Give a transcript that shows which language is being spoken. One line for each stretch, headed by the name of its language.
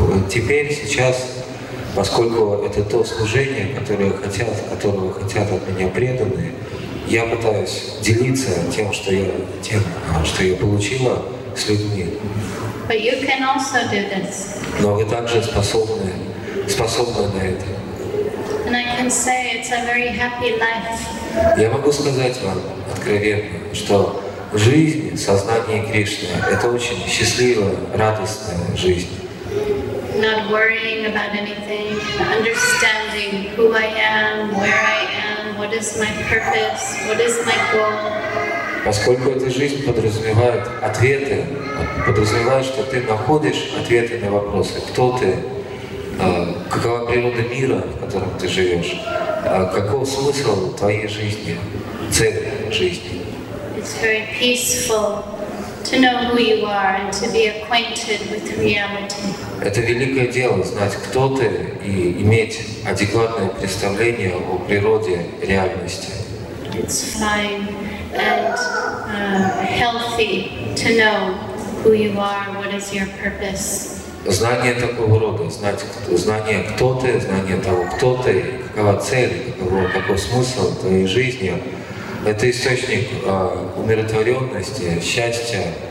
Russian: Теперь сейчас, поскольку это то служение, которого хотят от меня преданные, я пытаюсь делиться тем, что я получила с людьми.
English: But you can also do this.
Russian: Но вы также способны на это.
English: And I can say it's a very happy life.
Russian: Я могу сказать вам откровенно, что жизнь сознания Кришны — это очень счастливая, радостная жизнь.
English: Not worrying about anything, understanding who I am, where I am, what is my purpose, what is my goal.
Russian: Поскольку эта жизнь подразумевает ответы, подразумевает, что ты находишь ответы на вопросы, кто ты, какова природа мира, в котором ты живешь, каков смысл твоей жизни, цель жизни.
English: It's very peaceful to know who you are and to be acquainted with reality.
Russian: Это великое дело знать, кто ты, и иметь адекватное представление о природе реальности.
English: It's fine and healthy to know who you are, what is your purpose.
Russian: Знание такого рода, знание, кто ты, знание того, кто ты, какова цель, какой смысл твоей жизни, это источник умиротворенности, счастья.